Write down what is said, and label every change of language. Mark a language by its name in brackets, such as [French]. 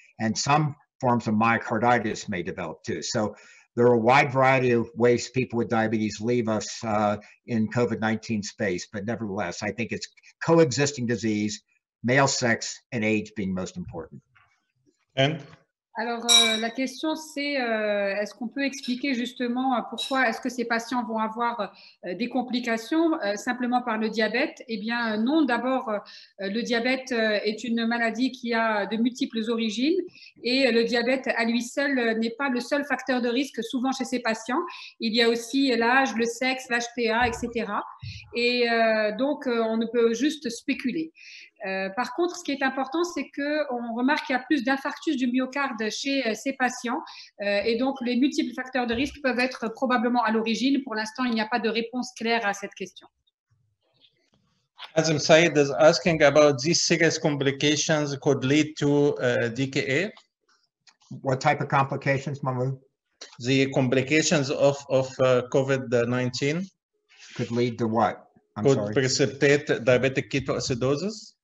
[English] And some forms of myocarditis may develop too. So there are a wide variety of ways people with diabetes leave us in COVID-19 space. But nevertheless, I think it's coexisting disease, male sex, and age being most important. And? [French] Alors, la question, c'est est-ce qu'on peut expliquer justement pourquoi est-ce que ces patients vont avoir des complications simplement par le diabète? Eh bien, non. D'abord, le diabète est une maladie qui a de multiples origines et le diabète à lui seul n'est pas le seul facteur de risque souvent chez ces patients. Il y a aussi l'âge, le sexe, l'HPA, etc. Et donc, on ne peut juste spéculer. Par contre, ce qui est important, c'est qu'on remarque qu'il y a plus d'infarctus du myocarde chez ces patients. Et donc, les multiples facteurs de risque peuvent être probablement à l'origine. Pour l'instant, il n'y a pas de réponse claire à cette question. [English] Azim Saïd is asking about these serious complications could lead to DKA. What type of complications, Mahmoud? The complications of COVID-19. Could lead to what? I'm could sorry. Precipitate diabetic ketoacidosis?